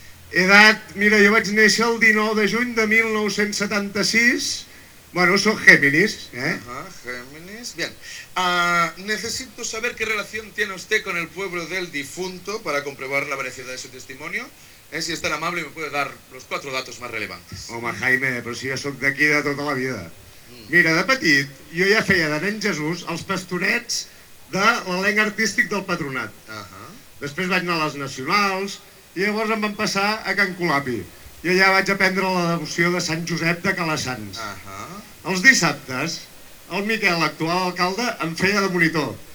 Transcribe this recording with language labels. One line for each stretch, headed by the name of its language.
Catalan: Edat, mira, jo vaig néixer el 19 de juny de 1976. Bueno, sóc Géminis, eh?
Spanish: Géminis. Bien. Necesito saber qué relación tiene usted con el pueblo del difunto para comprobar la veracidad de su testimonio. Si es tan amable, me puede dar los cuatro datos más relevantes.
Catalan: Home, Jaime, però si jo sóc d'aquí de tota la vida. Mira, de petit, jo ja feia de nen Jesús els pastorets de l'elenc artístic del patronat. Després vaig anar a les nacionals i llavors em van passar a Can Colapi. I allà vaig aprendre la devoció de Sant Josep de Calassanç. Els dissabtes, el Miquel, l'actual alcalde, em feia de monitor.